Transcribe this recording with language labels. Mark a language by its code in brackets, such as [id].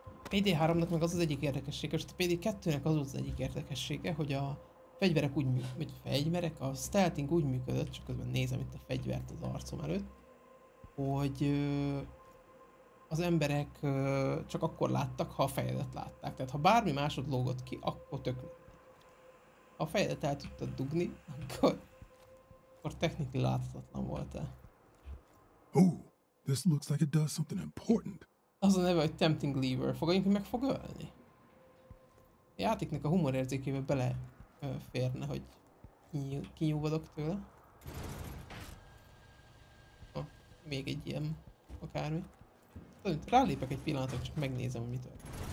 [hu] PD3-nak meg az az egyik érdekessége, és a PD2-nek az az egyik érdekessége, hogy a fegyverek úgy működött, vagy fegyverek, a stealthing úgy működött, csak közben nézem itt a fegyvert az arcom előtt, hogy az emberek csak akkor láttak, ha a fejedet látták. Tehát ha bármi másod lógott ki, akkor tök. Ha a fejedet el tudtad dugni, akkor technikai láthatatlan voltál. [en] Oh, this looks like it does something important. [hu] Az a neve, hogy Tempting Lever. Fogadjunk, hogy meg fog ölni. A játéknak a humorérzékébe beleférne, hogy kinyúvadok tőle. Ha, még egy ilyen akármi. Rálépek egy pillanatra, csak megnézem, hogy mi történt.